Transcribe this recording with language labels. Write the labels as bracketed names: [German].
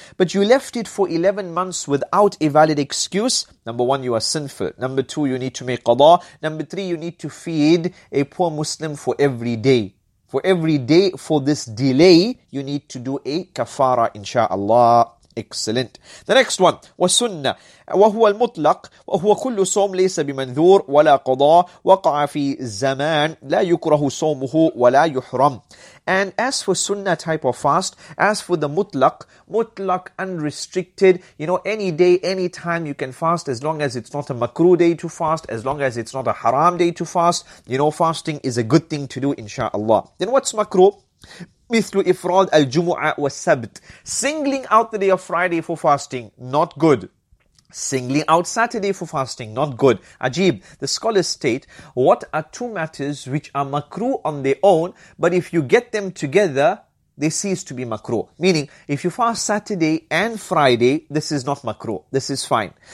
[English] But you left it for 11 months without a valid excuse. Number one, you are sinful. Number two, you need to make qada. Number three, you need to feed a poor Muslim for every day. For every day for this delay, you need to do a kafara, insha'Allah. Excellent. [Arabic] The next one, وَسُنَّ وَهُوَ الْمُطْلَقُ وَهُوَ كُلُّ صَوْمٍ لَيْسَ بِمَنْذُورٍ وَلَا قَضَاءٍ وَقَعَ فِي زَمَانٍ لَا يُكْرَهُ صَوْمُهُ وَلَا يُحْرَمُ. [English] And as for sunnah type of fast, as for the mutlaq, unrestricted, any day, any time you can fast, as long as it's not a makruh day to fast, as long as it's not a haram day to fast, fasting is a good thing to do, insha'Allah. Then what's makruh? [Arabic] مثل إفراد الجمعة والسبت. [English] Singling out the day of Friday for fasting, not good. Singling out Saturday for fasting, not good. Ajib, the scholars state, what are two matters which are makruh on their own, but if you get them together, they cease to be makruh. Meaning, if you fast Saturday and Friday, this is not makruh. This is fine.